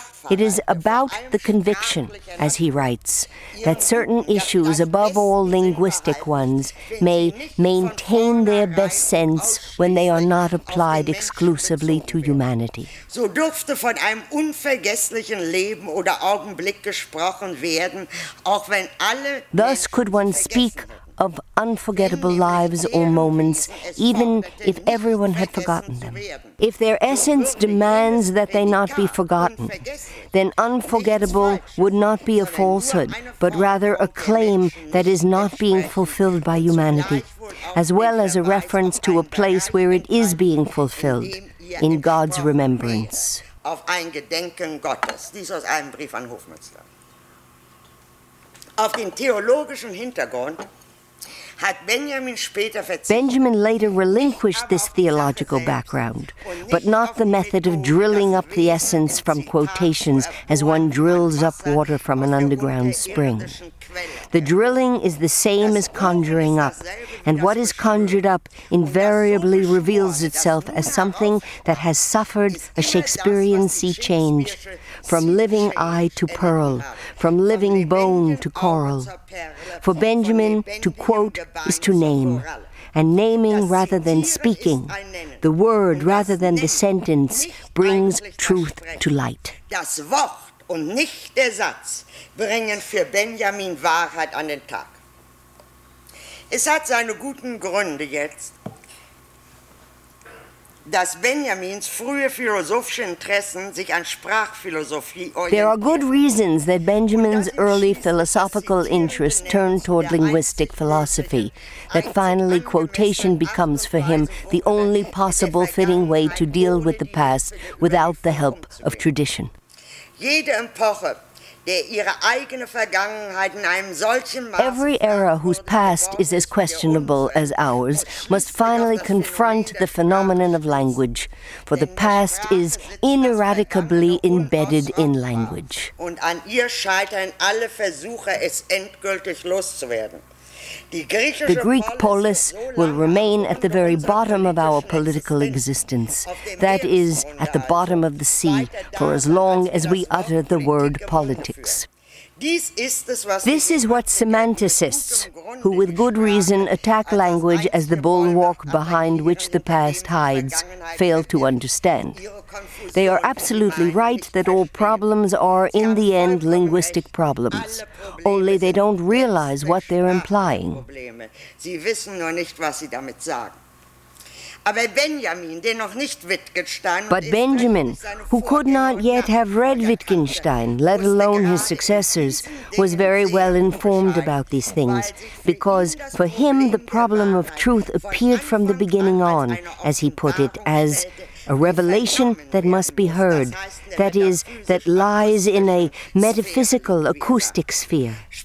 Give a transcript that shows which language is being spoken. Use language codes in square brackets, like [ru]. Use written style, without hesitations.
[en] It is about the conviction, as he writes, that certain issues, above all linguistic ones, may maintain their best sense when they are not applied exclusively to humanity. [de] So durfte von einem unvergesslichen Leben oder Augenblick gesprochen werden, auch wenn alle. [en] Thus could one speak of unforgettable lives or moments, even if everyone had forgotten them. If their essence demands that they not be forgotten, then unforgettable would not be a falsehood, but rather a claim that is not being fulfilled by humanity, as well as a reference to a place where it is being fulfilled, in God's remembrance. [de] Auf ein Gedenken Gottes. Dies aus einem Brief an Hofmannsthal. Auf den theologischen Hintergrund [en] Benjamin later relinquished this theological background, but not the method of drilling up the essence from quotations as one drills up water from an underground spring. The drilling is the same as conjuring up, and what is conjured up invariably reveals itself as something that has suffered a Shakespearean sea change, from living eye to pearl, from living bone to coral. For Benjamin, to quote is to name, and naming rather than speaking, the word rather than the sentence, brings truth to light. [de] Das Wort und nicht der Satz bringen für Benjamin Wahrheit an den Tag. Es hat seine guten Gründe jetzt, dass Benjamins frühe philosophische Interessen sich an Sprachphilosophie orientieren. [en] There are good reasons that Benjamin's early philosophical interest turned toward linguistic philosophy, that finally quotation becomes for him the only possible fitting way to deal with the past without the help of tradition. [de] Jede Epoche, der ihre eigene Vergangenheit in einem solchen Maß. [en] Every era whose past is as questionable as ours must finally confront the phenomenon of language, for the past is ineradicably embedded in language. [de] Und an ihr scheitern alle Versuche, es endgültig loszuwerden. [en] The Greek polis will remain at the very bottom of our political existence, that is, at the bottom of the sea, for as long as we utter the word politics. This is what semanticists, who with good reason attack language as the bulwark behind which the past hides, fail to understand. They are absolutely right that all problems are, in the end, linguistic problems. Only they don't realize what they're implying. [de] Sie wissen nur nicht, was sie damit sagen. Aber Benjamin, der noch nicht Wittgenstein, [en] but Benjamin, who could not yet have read Wittgenstein, let alone his successors, was very well informed about these things, because for him the problem of truth appeared from the beginning on, as he put it, as a revelation that must be heard, that is, that lies in a metaphysical acoustic sphere.